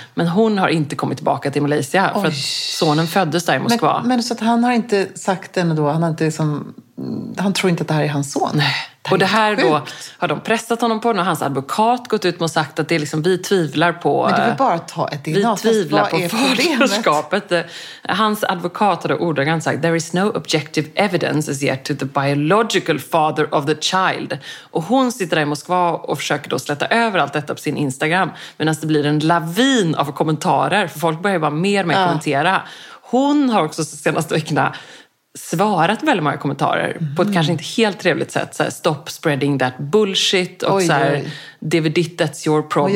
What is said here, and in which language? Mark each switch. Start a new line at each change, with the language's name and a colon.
Swedish: Men hon har inte kommit tillbaka till Malaysia. Oj. För att sonen föddes där i Moskva. Men så att han har inte sagt det ändå då, han har inte liksom, han tror inte att det här är hans son. Nej. Det och det här sjukt. Då har de pressat honom på den, och hans advokat gått ut och sagt att det är liksom, vi tvivlar på... Men du vill bara ta ett DNA-test. Vi tvivlar på faderskapet. Hans advokat har ordagrant sagt,
English: there is no objective evidence as yet to the biological father of the child.
Swedish: Och hon sitter där i Moskva och försöker då släta över allt detta på sin Instagram. Medan det blir en lavin av kommentarer, för folk börjar bara mer och mer kommentera. Hon har också senaste veckorna svarat väldigt många kommentarer på ett kanske inte helt trevligt sätt. Så här,
English: stop spreading that bullshit.
Swedish: Och så här, David Ditt,
English: that's your problem.